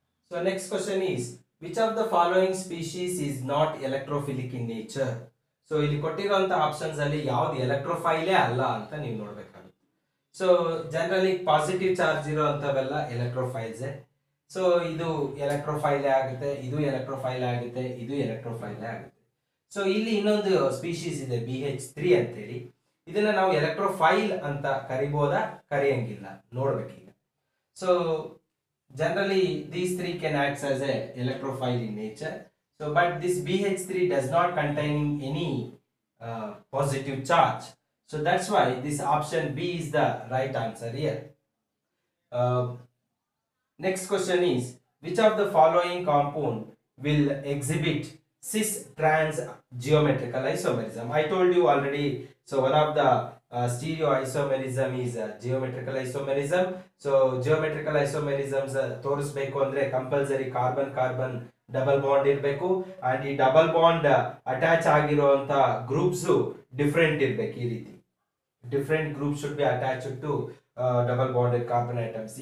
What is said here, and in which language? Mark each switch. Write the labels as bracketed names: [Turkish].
[English] So next question is, which of the following species is not electrophilic in nature? [Kannada] So ಇಲ್ಲಿ ಕೊಟ್ಟಿರುವಂತಹ options ಅಲ್ಲಿ ಯಾವ್ದು ಎಲೆಕ್ಟ್ರೋಫೈಲೇ ಅಲ್ಲ ಅಂತ ನೀವು ನೋಡ್ಬೇಕಾಗುತ್ತೆ. So generally positive charge ಇರುವಂತವೆಲ್ಲ electrophiles. So ಇದು ಎಲೆಕ್ಟ್ರೋಫೈಲೇ ಆಗುತ್ತೆ, ಇದು ಎಲೆಕ್ಟ್ರೋಫೈಲ್ ಆಗುತ್ತೆ, ಇದು ಎಲೆಕ್ಟ್ರೋಫೈಲೇ ಆಗುತ್ತೆ. ಸೊ ಇಲ್ಲಿ ಇನ್ನೊಂದು ಸ್ಪೀಶೀಸ್ ಇದೆ BH3 ಅಂತೇಳಿ, ಇದನ್ನ ನಾವು ಎಲೆಕ್ಟ್ರೋಫೈಲ್ ಅಂತ ಕರಿಬೋದ ಕರೆಯಂಗಿಲ್ಲ ನೋಡ್ಬೇಕೀಗ. [English] So generally these three can act as a electrophile in nature. So but this BH3 does not contain any positive charge, so that's why this option B is the right answer here. Next question is, which of the following compound will exhibit cis trans geometrical isomerism? I told you already, so one of the stereoisomerism is geometrical isomerism. [Kannada] So geometrical ಐಸೋಮೆರಿಸಮ್ಸ್ ತೋರಿಸ್ಬೇಕು ಅಂದ್ರೆ compulsory carbon carbon double bond ಇರಬೇಕು, and ಈ double bond attach ಆಗಿರುವಂತಹ groups different ಇರ್ಬೇಕು. ಈ ರೀತಿ [English] Different group should be attach to double bond carbon atoms.